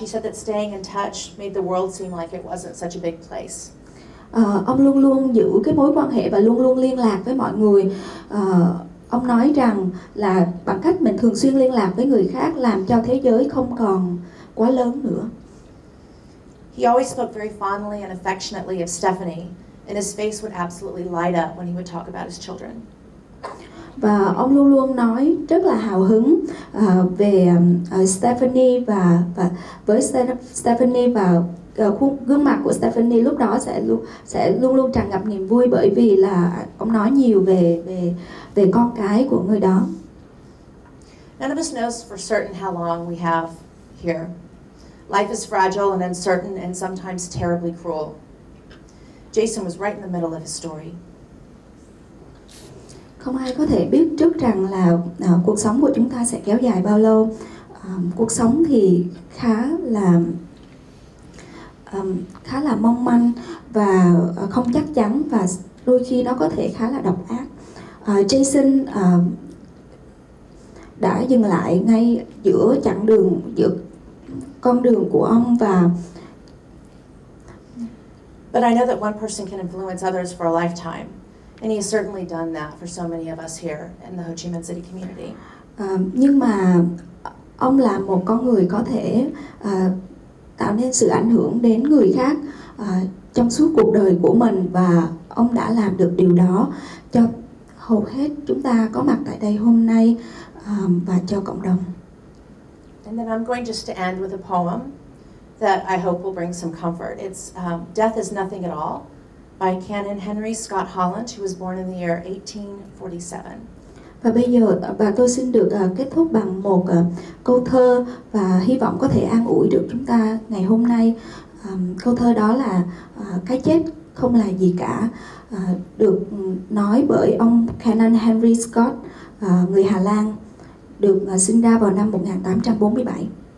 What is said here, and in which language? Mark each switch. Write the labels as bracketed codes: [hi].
[en] He said that staying in touch made the world seem like it wasn't such a big place. [vi] Ông luôn luôn giữ cái mối quan hệ và luôn luôn liên lạc với mọi người. Ông nói rằng là bằng cách mình thường xuyên liên lạc với người khác làm cho thế giới không còn quá lớn nữa. [en] He always spoke very fondly and affectionately of Stephanie, and his face would absolutely light up when he would talk about his children. [vi] Và ông luôn luôn nói rất là hào hứng về Stephanie và với Stephanie, và gương mặt của Stephanie lúc đó sẽ luôn luôn tràn ngập niềm vui bởi vì là ông nói nhiều về con cái của người đó. [en] None of us knows for certain how long we have here. Life is fragile and uncertain and sometimes terribly cruel. Jason was right in the middle of his story. [vi] Không ai có thể biết trước rằng là cuộc sống của chúng ta sẽ kéo dài bao lâu. Cuộc sống thì khá là mong manh và không chắc chắn và đôi khi nó có thể khá là độc ác. Jason đã dừng lại ngay giữa chặng đường, giữa con đường của ông và [en] But I know that one person can influence others for a lifetime. And he has certainly done that for so many of us here in the Ho Chi Minh City community. [vi] Nhưng mà ông là một con người có thể tạo nên sự ảnh hưởng đến người khác trong suốt cuộc đời của mình và ông đã làm được điều đó cho hầu hết chúng ta có mặt tại đây hôm nay và cho cộng đồng. [en] And then I'm going just to end with a poem that I hope will bring some comfort. It's Death is Nothing at All by Canon Henry Scott Holland, who was born in the year 1847. [vi] Và bây giờ và tôi xin được kết thúc bằng một câu thơ và hy vọng có thể an ủi được chúng ta ngày hôm nay. Câu thơ đó là cái chết không là gì cả, được nói bởi ông Canon Henry Scott, người Hà Lan, được sinh ra vào năm 1847.